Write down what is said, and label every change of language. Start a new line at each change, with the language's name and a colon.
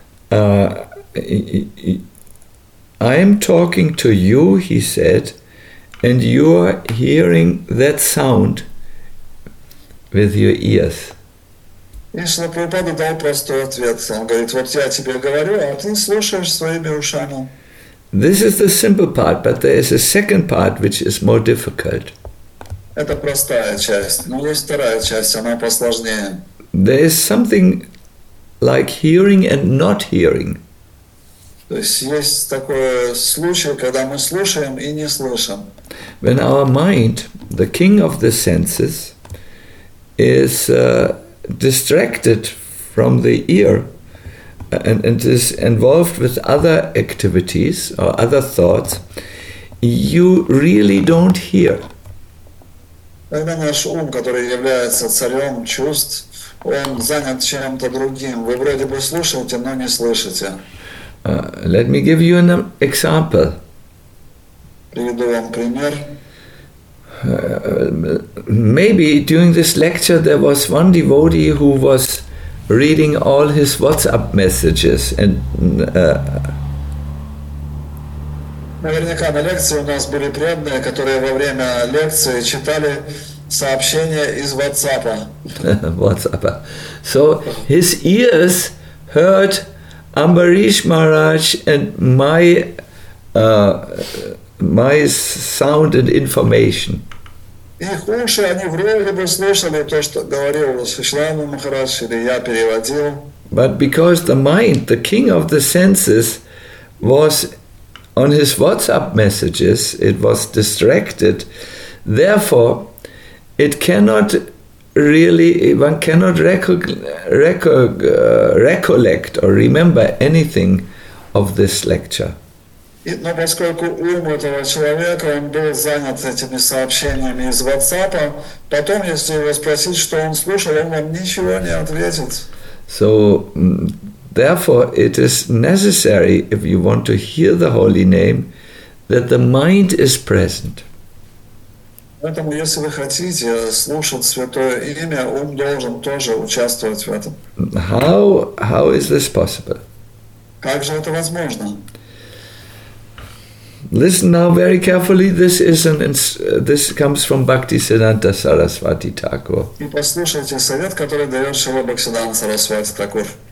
English: I am talking to you, he said, and you are hearing that sound with your ears.
Russian: И Шрилу Прабхупаду дал простой ответ. Он говорит, вот я тебе говорю, а ты слушаешь своими ушами.
English: This is the simple part, but there is a second part which is more difficult.
Russian: Это простая часть, но есть вторая часть, она посложнее.
English: There is something like hearing and not hearing.
Russian: То есть такой случай, когда мы слушаем и не слышим.
English: When our mind, the king of the senses, is distracted from the ear and is involved with other activities or other thoughts, you really don't hear.
Russian: Когда наш ум, который является царем чувств, он занят чем-то другим, вы вроде бы слушаете, но не слышите.
English: Let me give you an example.
Russian: Приведу вам пример.
English: Maybe during this lecture there was one devotee who was reading all his WhatsApp messages and
Russian: наверняка на лекции у нас были преданные, которые во время лекции читали сообщения из WhatsApp.
English: WhatsApp. So his ears heard Ambarish Maharaj and my sound and information.
Russian: Их уши, они вроде бы слышали то, что говорил Шишлана Махарадж, или я переводил.
English: But because the mind, the king of the senses, was on his WhatsApp messages, it was distracted, therefore it cannot really, one cannot recollect or remember anything of this lecture.
Russian: Но поскольку ум этого человека, он был занят этими сообщениями из WhatsApp, потом, если его спросить, что он слушал, он вам ничего не ответит.
English: So, therefore, it is necessary, if you want to hear the Holy Name, that the mind is present.
Russian: Поэтому, если вы хотите слушать Святое Имя, ум должен тоже участвовать в этом.
English: How is this possible?
Russian: Как же это возможно?
English: Listen now very carefully. This is this comes from Bhaktisiddhanta Saraswati Thakur.
Russian: И послушайте совет, который дает Шрила Бхактисиддханта Сарасвати Такур.